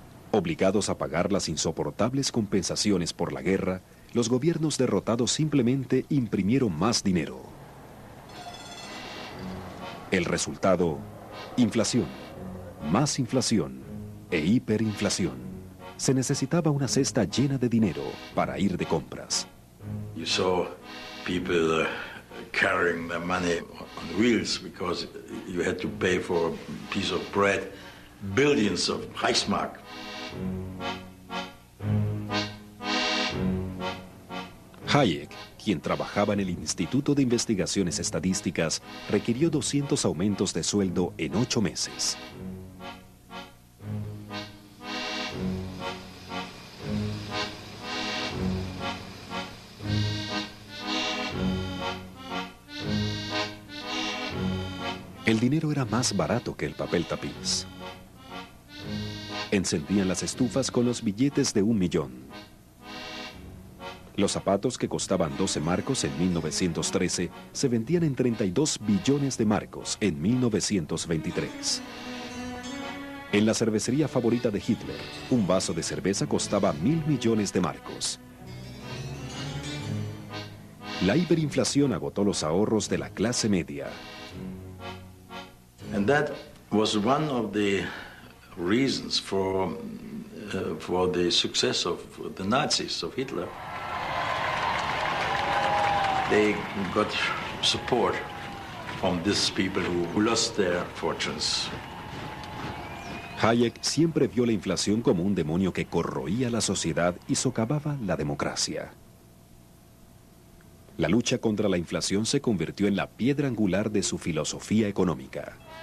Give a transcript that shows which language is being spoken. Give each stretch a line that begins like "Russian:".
Spanish: Obligados a pagar las insoportables compensaciones por la guerra, los gobiernos derrotados simplemente imprimieron más dinero. El resultado, inflación, más inflación e hiperinflación. Se necesitaba una cesta llena de dinero para ir de compras.
English: You saw people carrying their money on wheels because you had to pay for a piece of bread, billions of Reichsmark.
Spanish: Hayek, quien trabajaba en el Instituto de Investigaciones Estadísticas, requirió 200 aumentos de sueldo en 8 meses. El dinero era más barato que el papel tapiz. Encendían las estufas con los billetes de 1 millón. Los zapatos que costaban 12 marcos en 1913 se vendían en 32 billones de marcos en 1923. En la cervecería favorita de Hitler, un vaso de cerveza costaba 1.000 millones de marcos. La hiperinflación agotó los ahorros de la clase media.
English: And that was one of the reasons for the success of the Nazis, of Hitler. They got support from these people who lost their fortunes.
Spanish: Hayek siempre vio la inflación como un demonio que corroía la sociedad y socavaba la democracia. La lucha contra la inflación se convirtió en la piedra angular de su filosofía económica.